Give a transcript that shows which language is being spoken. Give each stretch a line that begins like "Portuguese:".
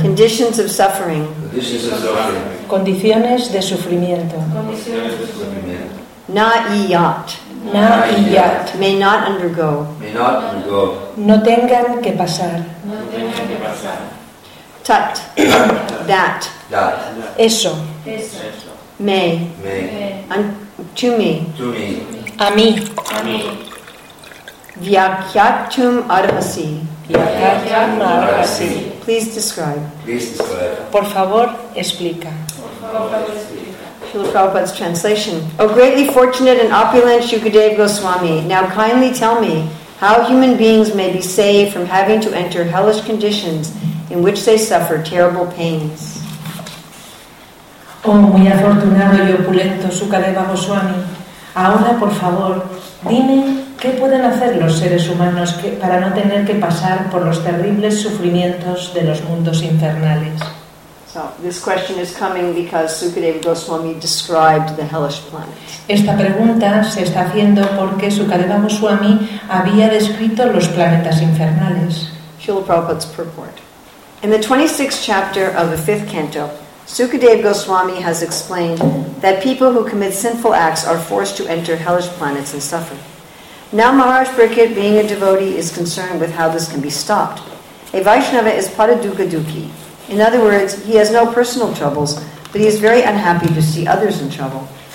English: Conditions of suffering. Conditions of suffering.
Spanish: Condiciones de sufrimiento. Condiciones de sufrimiento.
Sanskrit: Na-i-yat. Na-i-yat.
English: May not undergo. May not undergo.
Spanish: No tengan que pasar. No tengan que pasar.
Sanskrit: Tut.
English: That.
Spanish: Eso. Eso.
Sanskrit: May. May.
English: To me. To me.
Spanish: A mí. A mí.
Sanskrit: Vyakhyatum arhasi. Vyakhyatum arhasi.
English: Please describe. Please describe.
Spanish: Por favor, explica.
English: Srila Prabhupada's translation. O greatly fortunate and opulent Shukadeva Goswami, now kindly tell me how human beings may be saved from having to enter hellish conditions in which they suffer terrible pains.
Spanish: Oh, muy afortunado y opulento Sukadeva Goswami. Ahora, por favor, dime qué pueden hacer los seres humanos que, para no tener que pasar por los terribles sufrimientos de los mundos infernales.
English: So, this question is coming because Sukadeva Goswami described the hellish planets.
Spanish: Esta pregunta se está haciendo porque Sukadeva Goswami había descrito los planetas infernales.
English: Srila Prabhupada's purport. In the 26th chapter of the 5th canto, Sukadeva Goswami has explained that people who commit sinful acts are forced to enter hellish planets and suffer. Now Maharaj Brihat, being a devotee, is concerned with how this can be stopped. A Vaishnava is padadukaduki. In other words, he has no personal troubles, but he is very unhappy to see others in trouble.